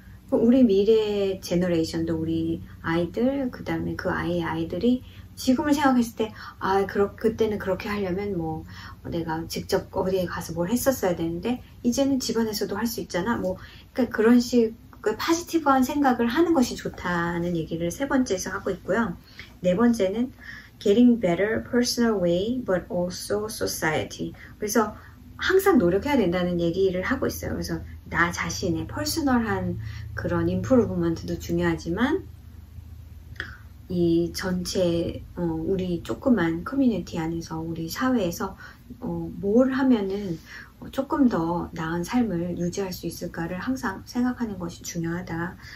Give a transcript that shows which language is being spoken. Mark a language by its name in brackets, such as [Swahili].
[Korean] 우리 미래 제너레이션도 우리 아이들, 그 다음에 그 아이의 아이들이 지금을 생각했을 때, 그때는 그렇게 하려면 뭐, 내가 직접 어디에 가서 뭘 했었어야 되는데, 이제는 집안에서도 할수 있잖아. 뭐, 그러니까 그런 식의 파지티브한 생각을 하는 것이 좋다는 얘기를 세 번째에서 하고 있고요. 네 번째는 [English] getting better personal way, but also society. [Korean] 그래서 항상 노력해야 된다는 얘기를 하고 있어요. 그래서 나 자신의 퍼스널한 그런 임프루브먼트도 중요하지만, 이 전체 우리 조그만 커뮤니티 안에서 우리 사회에서 뭘 하면은 조금 더 나은 삶을 유지할 수 있을까를 항상 생각하는 것이 중요하다.